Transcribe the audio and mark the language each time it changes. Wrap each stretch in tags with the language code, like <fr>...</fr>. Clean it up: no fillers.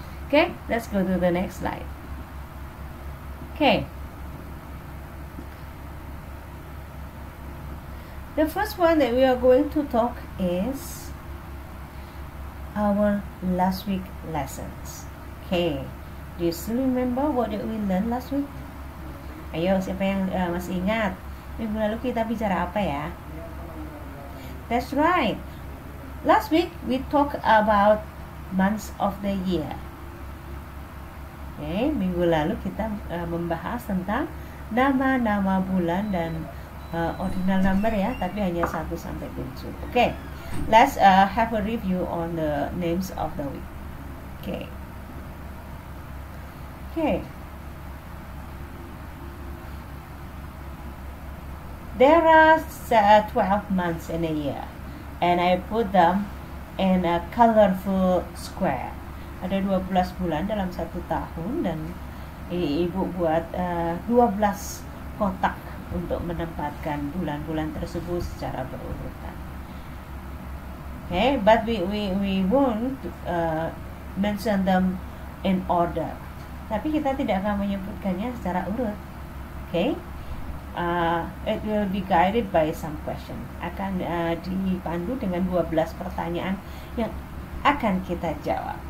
<en>Okay, let's go to the next slide. Okay. The first one that we are going to talk is our last week lessons. Okay. Do you still remember what did we learn last week?</en> <id>Ayo, siapa yang masih ingat? Minggu lalu kita bicara apa ya?</id> <en>That's right. Last week we talk about months of the year.</en> <id>Okay, minggu lalu kita membahas tentang nama-nama bulan dan ordinal number ya, tapi hanya 1 sampai 7.</id> <en>Okay, let's have a review on the names of the week. Okay. Okay. There are 12 months in a year, and I put them in a colorful square.</en> <id>Ada 12 bulan dalam satu tahun, dan ibu buat 12 kotak untuk menempatkan bulan-bulan tersebut secara berurutan.</id> <en>Okay, but we won't mention them in order.</en> <id>Tapi kita tidak akan menyebutkannya secara urut. Okay?</id> <en>It will be guided by some question.</en> <id>Akan dipandu dengan 12 pertanyaan yang akan kita jawab.</id>